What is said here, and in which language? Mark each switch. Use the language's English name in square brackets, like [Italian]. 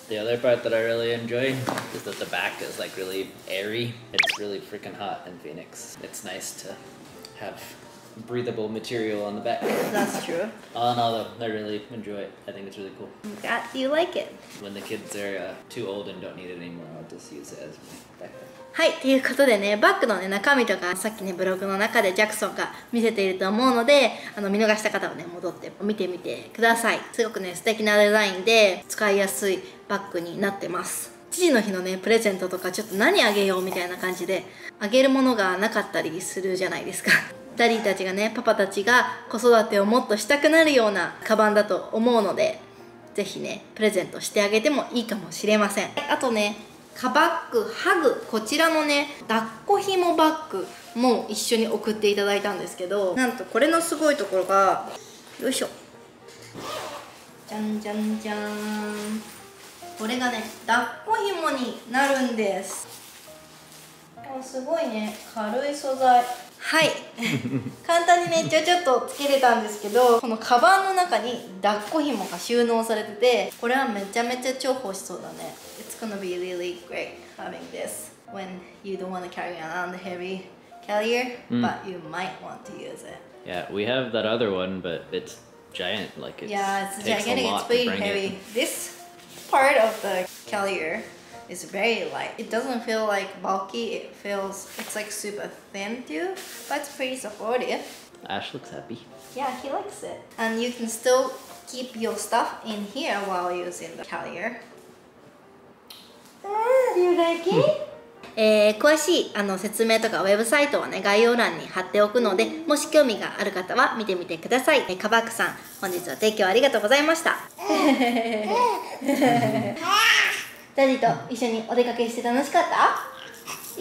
[English] The other part that I really enjoy is that the back is like really airy. It's really freaking hot in Phoenix. It's nice to have breathable material on the back. That's true. All in all, though, I really enjoy it. I think it's really cool. Got you like it. When the kids are、too old and don't need it anymore. Just use it as my backpack. [Japanese] はい、ということでね、バッグの、ね、中身とかさっきね、ブログの中でジャクソンが見せていると思うので、あの見逃した方はね、戻って見てみてください。すごくね、素敵なデザインで使いやすいバッグになってます。父の日のね、プレゼントとかちょっと何あげようみたいな感じで、あげるものがなかったりするじゃないですか。ダディたちがね、パパたちが子育てをもっとしたくなるようなカバンだと思うので、ぜひね、プレゼントしてあげてもいいかもしれません。あとね、KABAGハグ、こちらのね、抱っこひもバッグも一緒に送っていただいたんですけど、なんとこれのすごいところが、よいしょ、じゃんじゃんじゃん、これがね、抱っこ紐になるんです。あ、すごいね、軽い素材。はい簡単にね、ちょちょっとつけれたんですけど、このカバンの中に抱っこ紐が収納されてて、これはめちゃめちゃ重宝しそうだね。 [English] It's gonna be really great having this when you don't wanna carry around a heavy carrier、mm. but you might want to use it. Yeah, we have that other one, but it's giant, like it's, yeah, it's takes gigantic, a lot it's to bring heavy. It. This part of the carrier is very light. It doesn't feel like bulky, it feels, it's like super thin too, but it's pretty supportive. Ash looks happy. Yeah, he likes it. And you can still keep your stuff in here while using the carrier. Do you like it? [Japanese] 詳しいあの説明とかウェブサイトはね、概要欄に貼っておくので、もし興味がある方は見てみてください。カバクさん、本日は提供ありがとうございました。ダディと一緒にお出かけして楽しかった？